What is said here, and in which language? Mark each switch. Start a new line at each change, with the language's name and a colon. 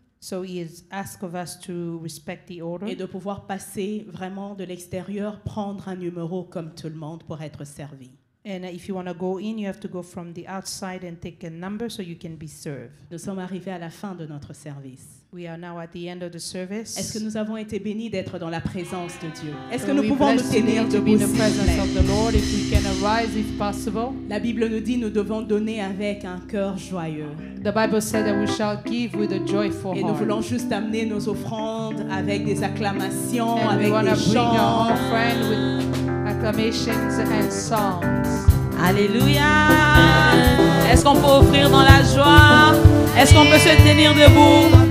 English: So he has asked of us to respect the order.
French: Et de pouvoir passer vraiment de l'extérieur, prendre un numéro comme tout le monde pour être servi.
English: And if you want to go in, you have to go from the outside and take a number so you can be served.
French: Nous sommes arrivés à la fin de notre service.
English: We are now at the end of the service.
French: Est-ce que nous avons été bénis d'être dans la présence de Dieu? Est-ce que nous pouvons nous tenir debout? La Bible nous dit nous devons donner avec un cœur joyeux.
English: The Bible said that we shall give with a joyful heart.
French: Et nous voulons juste amener nos offrandes avec des acclamations,
English: and
French: avec des chants.
English: We want to bring our offering with acclamations and songs.
French: Alléluia! Est-ce qu'on peut offrir dans la joie? Est-ce qu'on peut se tenir debout?